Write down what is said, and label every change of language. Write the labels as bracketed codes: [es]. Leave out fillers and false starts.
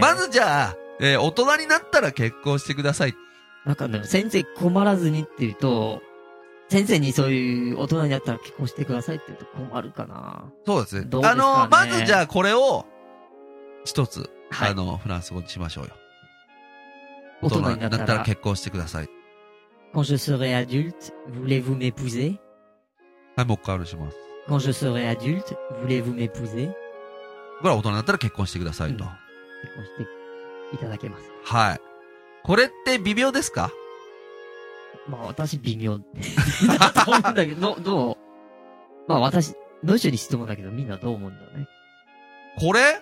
[ja] まずじゃあ、大人になったら結婚してください。なんかね、先生困らずにって言うと、先生にそういう大人になったら結婚してくださいって言うと困るかな。そうですね。どうですかね。まずじゃあ、これを、一つ、はい、フランス語にしましょうよ。大人になったら結婚してください。 [fr] Quand je serai adulte, voulez-vous m'épouser? [ja] はい、もう一回お願いします。 [fr] Quand je serai adulte, voulez-vous m'épouser ? [ja] 僕ら大人になったら結婚してくださいと、うん。結婚していただけます。はい。これって微妙ですか？まあ私微妙と思うんだけど、どう？まあ私、文章に質問だけどみんなどう思うんだろうね。これ？